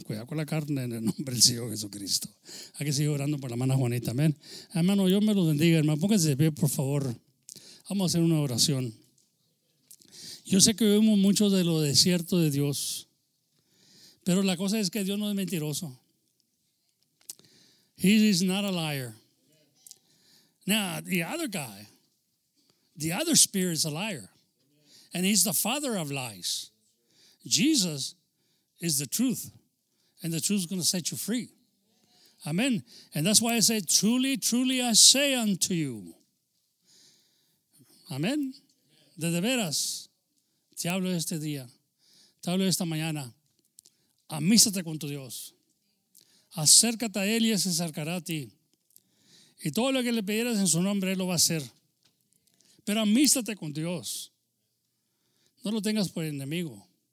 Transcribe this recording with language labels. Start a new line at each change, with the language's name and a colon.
Spanish: Cuidado con la carne en el nombre del Señor Jesucristo. Hay que seguir orando por la hermana Juanita, amén. Hermano, Dios me lo bendiga, hermano. Pónganse de pie, por favor. Vamos a hacer una oración. Yo sé que vivimos mucho de lo desierto de Dios, pero la cosa es que Dios no es mentiroso.
English: He is not a liar. Now, the other guy, the other spirit is a liar, and he's the father of lies. Jesus is the truth, and the truth is going to set you free. Amen. And that's why I say, truly, truly, I say unto you. Amen.
Spanish: De veras, te hablo este día, te hablo esta mañana. Amístate con tu Dios. Acércate a Él y Él se acercará a ti. Y todo lo que le pidieras en su nombre, Él lo va a hacer. Pero amístate con Dios. No lo tengas por enemigo.